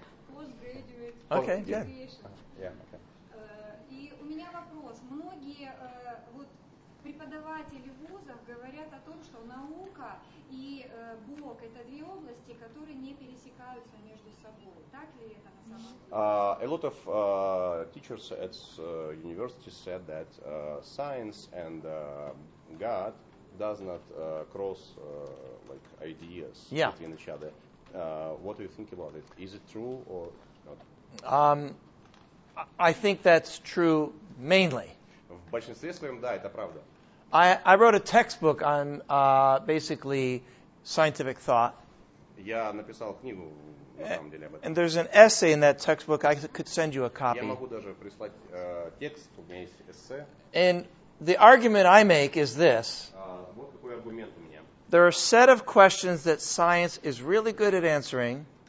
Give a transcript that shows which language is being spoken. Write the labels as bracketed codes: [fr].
[en] Postgraduate. Okay, [ru] И у меня вопрос. Многие вот преподаватели вузов говорят о том, что наука и Бог – это две области, которые не пересекаются между собой. Так ли это на самом деле? [en] A lot of teachers at university said that science and God does not cross like ideas between each other. What do you think about it? Is it true or not? I think that's true mainly. [ru] В большинстве своем, да, это правда. [en] I wrote a textbook on basically scientific thought. [ru] Я написал книгу, на самом деле, об этом. [en] And there's an essay in that textbook. I could send you a copy. [ru] Я могу даже прислать текст, у меня есть эссе. [en] And the argument I make is this. [ru] Вот какой аргумент у меня. [en] There are a set of questions that science is really good at answering.